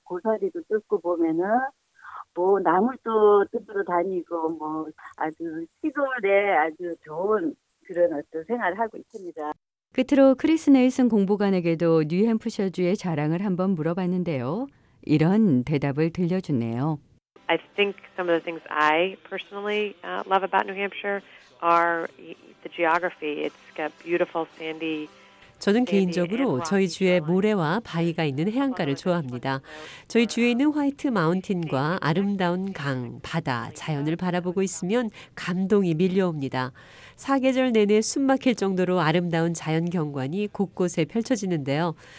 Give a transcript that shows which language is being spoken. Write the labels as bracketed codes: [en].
[ko] 고사리도 뜯고 보면은 뭐 나물도 뜯으러 다니고 뭐 아주 시골에 아주 좋은 그런 어떤 생활을 하고 있습니다. 끝으로 크리스 넬슨 공보관에게도 뉴햄프셔주의 자랑을 한번 물어봤는데요. 이런 대답을 들려줬네요. [en] I think some of the things I personally love about New Hampshire are the geography. It's got beautiful sandy. [ko] 저는 개인적으로 저희 주에 모래와 바위가 있는 해안가를 좋아합니다. 저희 주에 있는 화이트 마운틴과 아름다운 강, 바다, 자연을 바라보고 있으면 감동이 밀려옵니다. 사계절 내내 숨막힐 정도로 아름다운 자연 경관이 곳곳에 펼쳐지는데요.